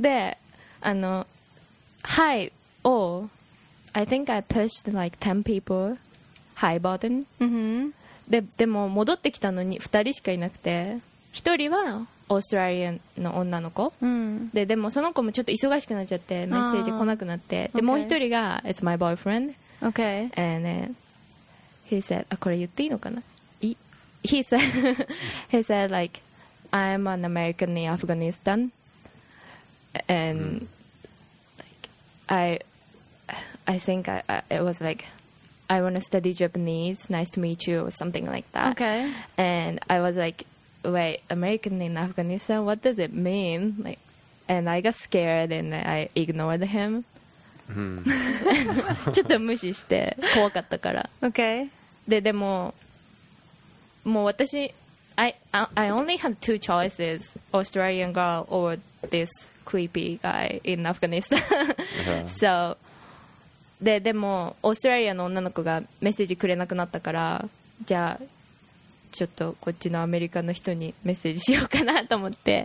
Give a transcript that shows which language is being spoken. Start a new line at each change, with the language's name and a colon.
Japanese: でハイを
English: I think I pushed like 10 people ハイボタン、 mm-hmm.
Japanese: でも戻ってきたのに2人しかいなくて1人はオーストラリアの女の子、うん、でもその子もちょっと忙しくなっちゃってメッセージ来なくなってで、
English: okay.
Japanese: もう一人が
English: It's my boyfriend Okay And then He said
Japanese: あこれ言っていいのかな
English: He said He said like I'm an American in Afghanistan And、like, I think it was likeI want to study Japanese Nice to meet you Or something like that Okay And I was likeWait, American in Afghanistan, what does it mean? Like, and I got scared and I ignored him.
Japanese: ちょっと無視して怖かったから。
English: Okay.
Japanese: でも、もう私、
English: I only had two choices, Australian girl or this creepy guy in Afghanistan.
Japanese: So, でも、オーストラリアの女の子がメッセージくれなくなったから、じゃあ、ちょっとこっちのアメリカの人にメッセージしようかなと思って、